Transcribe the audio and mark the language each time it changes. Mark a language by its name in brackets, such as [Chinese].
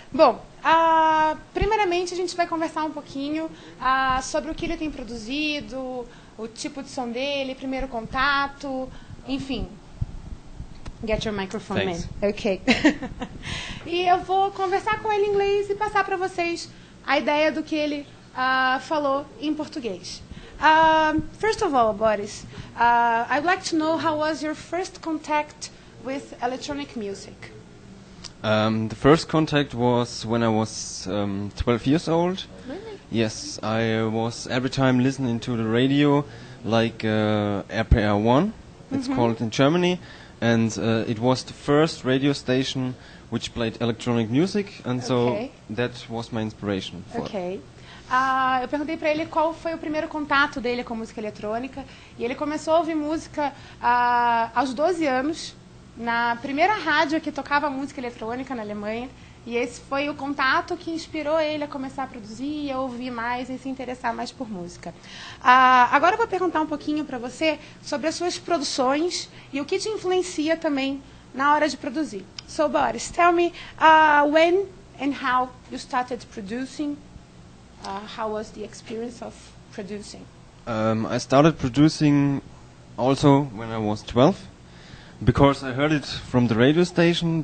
[Portuguese] Bom, primeiramente a gente vai conversar um pouquinho sobre o que ele tem produzido, o tipo de som dele, primeiro contato, enfim. [English] Get your microphone, Thanks. man. Okay. [Portuguese] E eu vou conversar com ele em inglês e passar para vocês a ideia do que ele falou em português. [English] First of all, Boris, I'd like to know how was your first contact with electronic music? The first contact was when I was 12 years old. Really? Yes, I was every time listening to the radio, like RPR1, it's called in Germany. And it was the first radio station which played electronic music, and so Okay. that was my inspiration for it. Okay. [Portuguese] Eu perguntei para ele qual foi o primeiro contato dele com música eletrônica, e ele começou a ouvir música aos 12 anos, na primeira rádio que tocava música eletrônica na Alemanha, e esse foi o contato que inspirou ele a começar a produzir, a ouvir mais e se interessar mais por música. Agora eu vou perguntar um pouquinho para você sobre as suas produções e o que te influencia também na hora de produzir. [English] So, Boris, tell me when and how you started producing. How was the experience of producing? I started producing also when I was 12, because I heard it from the radio station.